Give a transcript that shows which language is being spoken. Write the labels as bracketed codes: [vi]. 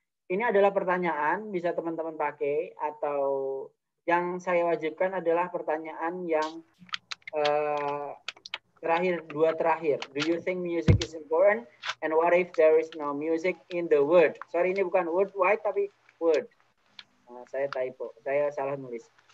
[id] Ini adalah pertanyaan, bisa teman-teman pakai, atau yang saya wajibkan adalah pertanyaan yang terakhir, dua terakhir. [en] Do you think music is important? And what if there is no music in the world? [id] Sorry, ini bukan world wide, tapi world. Saya typo, saya salah nulis.